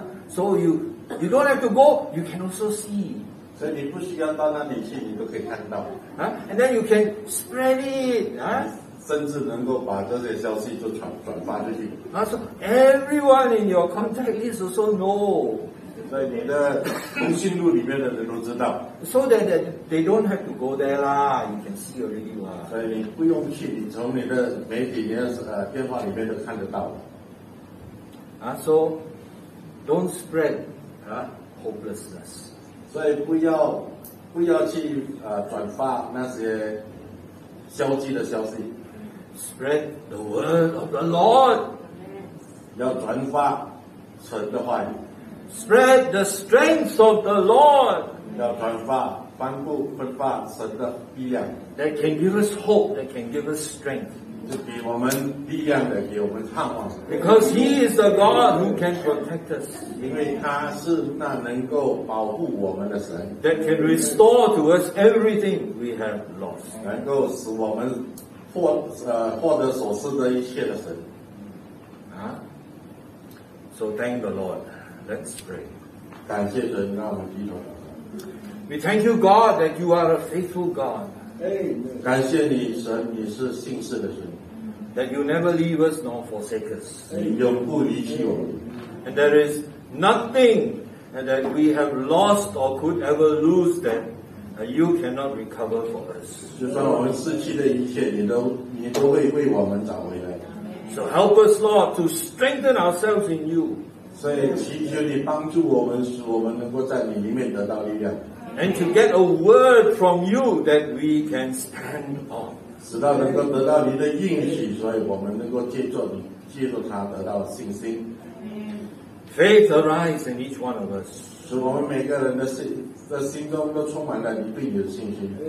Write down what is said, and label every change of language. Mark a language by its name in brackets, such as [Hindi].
[English] So you don't have to go, you can also see. [Chinese] 所以你不需要到那里去，你都可以看到。 [English] And then you can spread it. [Chinese] 甚至能够把这些消息就转发出去。 [English] So everyone in your contact list also know. [Chinese] 在你的通讯录里面的人都知道。 [English] So that they don't have to go there lah, you can see already lah. [Chinese] 所以你不用去，你从你的媒体、你的电话里面都看得到。 [English] So don't spread hopelessness. [Chinese] 所以不要去转发那些消极的消息。 [English] Spread the word of the Lord. [Chinese] 要转发神的话语。 [English] Spread the strength of the Lord. [Chinese] 要传发，颁布，分发神的力量。 [English] That can give us hope. That can give us strength. [Chinese] 就给我们力量的，给我们盼望。 [English] Because He is the God who can protect us. [Chinese] 因为他是那能够保护我们的神。 [English] That can restore to us everything we have lost. [Chinese] 能够使我们获得所失的一切的神。 [English] So thank the Lord. Let's pray. [Chinese] 感谢神，让我们低头。 [English] We thank you, God, that you are a faithful God. [Chinese] 感谢你，神，你是信实的神。 [English] That you never leave us nor forsake us. [Chinese] 你永不离弃我们。 [English] And there is nothing that we have lost or could ever lose that you cannot recover for us. [Chinese] 就算我们失去的一切，你都会为我们找回来。 [English] So help us, Lord, to strengthen ourselves in you. [Chinese] 所以祈求你帮助我们，使我们能够在你里面得到力量。 [English] And to get a word from you that we can stand on. [Chinese] 使到能够得到你的应许，所以我们能够借助你，借助他得到信心。 [English] Faith arises in each one of us. [Chinese] 使我们每个人的心中都充满了一定的信心,